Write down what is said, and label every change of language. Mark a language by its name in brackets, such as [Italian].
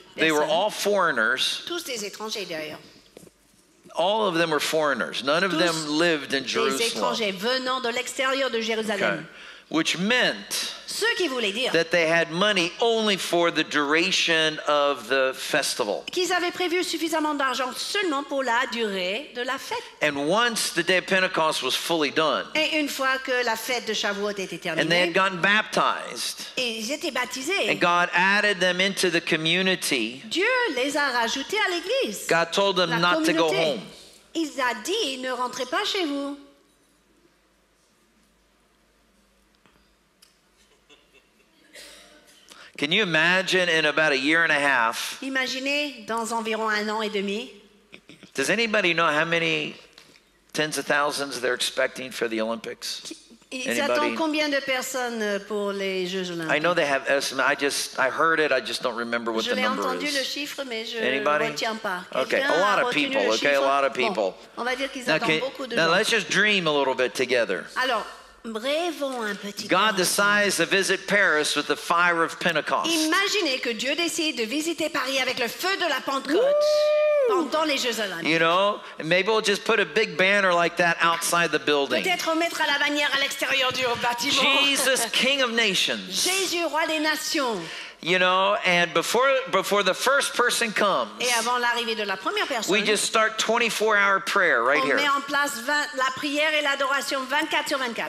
[English] They were all foreigners. [French] Tous des étrangers, d'ailleurs. [English] All of them were foreigners. None of [French] tous [English] them lived in Jerusalem. [French] Des étrangers venant de l'extérieur de Jérusalem. [English] Okay. Which meant [French] ce qui voulait dire [English] that they had money only for the duration of the festival. [French] Qu'ils avaient prévu suffisamment d'argent seulement pour la durée de la fête. [English] And once the day of Pentecost was fully done, [French] et une fois que la fête de Shavuot était terminée, [English] and they had gotten baptized, [French] et ils étaient baptisés, [English] and God added them into the community, [French] Dieu les a rajoutés à l'église. [English] God told them not to go home. [French] Il a dit, ne rentrez pas chez vous. [English] Can you imagine in about a year and a half? [French] Imaginez dans environ un an et demi. [English] Does anybody know how many tens of thousands they're expecting for the Olympics? [French] Ils attendent combien de personnes pour les Jeux Olympiques? [English] I know they have estimates. I heard it. I just don't remember what [French] je [English] the number is. [French] Je l'ai entendu le chiffre, mais je ne retiens pas. [English] Okay, a lot of people. Okay, a lot of people. [French] Bon, on va dire qu'ils attendent beaucoup de gens. [English] Now let's just dream a little bit together. [French] Alors. [English] God decides to visit Paris with the fire of Pentecost. [French] Imaginez que Dieu décide de visiter Paris avec le feu de la Pentecôte. Woo! Pendant les Jeux Olympiques. [English] You know, maybe we'll just put a big banner like that outside the building. [French] Peut-être on mettra la bannière à l'extérieur du bâtiment. [English] Jesus, King of Nations. [French] Jésus, roi des nations. [English] You know, and before the first person comes, [French] et avant l'arrivée de la première personne, [English] we just start 24-hour prayer right [French] on [English] here. [French] On met en place la prière et l'adoration 24 sur 24.